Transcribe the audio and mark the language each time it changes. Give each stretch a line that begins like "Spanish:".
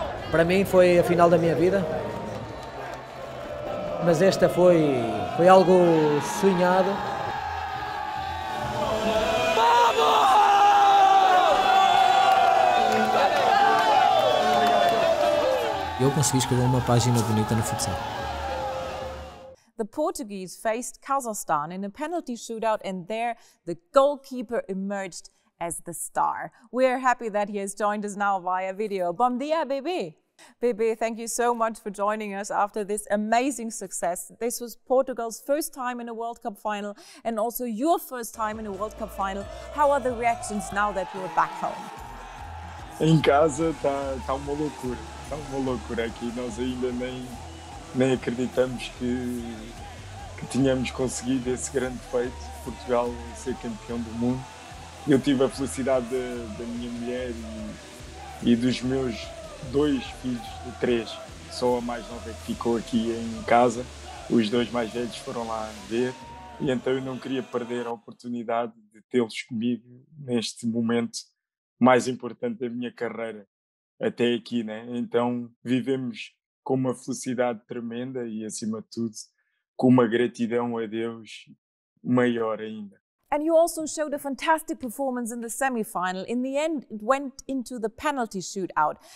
Portuguese: Para mim foi a final da minha vida, mas esta foi algo sonhado. Eu consegui escrever uma página bonita no futsal.
English: The Portuguese faced Kazakhstan in a penalty shootout, and there the goalkeeper emerged as the star. We are happy that he has joined us now via video.
Portuguese: Bom dia,
English: Bebe. Bebe, thank you so much for joining us after this amazing success. This was Portugal's first time in a World Cup final and also your first time in a World Cup final. How are the reactions now that you're back home?
Portuguese: Em casa tá uma loucura. Tá uma loucura aqui. Nós ainda nem acreditamos que tínhamos conseguido esse grande feito, Portugal ser campeão do mundo. Eu tive a felicidade da minha mulher e dos meus dois filhos, três, só a mais nova que ficou aqui em casa, os dois mais velhos foram lá ver, e então eu não queria perder a oportunidade de tê-los comigo neste momento mais importante da minha carreira até aqui, né? Então vivemos com uma felicidade tremenda e, acima de tudo, com uma gratidão a Deus maior ainda.
English: And you also showed a fantastic performance in the semi-final. In the end, it went into the penalty shootout.